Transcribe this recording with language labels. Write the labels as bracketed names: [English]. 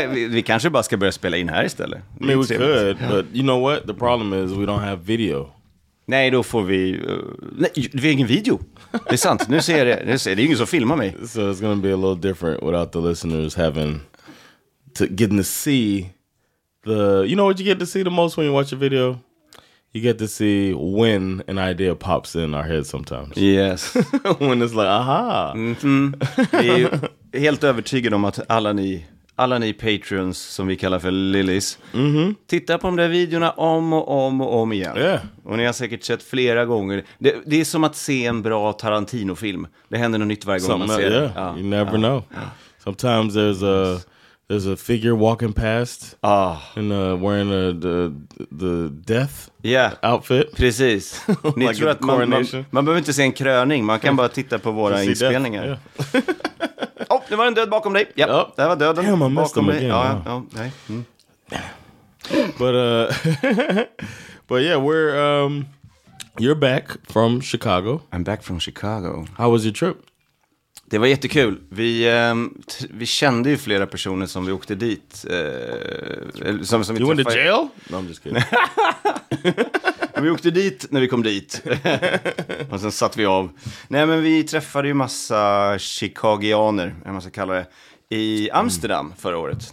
[Swedish] Vi kanske bara ska börja spela in här istället. [English] I mean, we could, but you know what? The problem is we don't have video. [Swedish] Nej, då får vi... Nej, vi har ingen video. Det är sant. Nu ser jag det. Nu ser jag. Det är ingen som filmar mig. [English] So it's going to be a little different without the listeners having to getting to see... The, you know what you get to see the most when you watch a video? You get to see when an idea pops in our head sometimes. Yes. When it's like, aha! [Swedish] Vi är helt övertygade om att alla ni patrons, som vi kallar för Lillis, tittar på de där videorna om och om och om igen. [English] Yeah. [Swedish] Och ni har säkert sett flera gånger. Det är som att se en bra Tarantino-film. Det händer något nytt varje gång man ser det. [English] Yeah. Ja. You never know. Ja. Sometimes there's a... There's a figure walking past, and wearing the death outfit. [Swedish] Precis. Ni like tror att man behöver inte se en kröning. Man kan bara titta på våra inspelningar. Yeah. Oh, det var en död bakom dig. Ja, yep. Det var döden. [English] Damn, I missed them again. [Swedish] Ja, [English] wow. [Swedish] Ja, nej. Mm. [English] But but yeah, we're you're back from Chicago. I'm back from Chicago. How was your trip? [Swedish] Det var jättekul. Vi kände ju flera personer som vi åkte dit. Som [English] you went to jail? No, I'm just kidding. [Swedish] Vi åkte dit när vi kom dit. Och sen satt vi av. Nej, men vi träffade ju massa chicagianer, eller vad man ska kalla det, i Amsterdam förra året.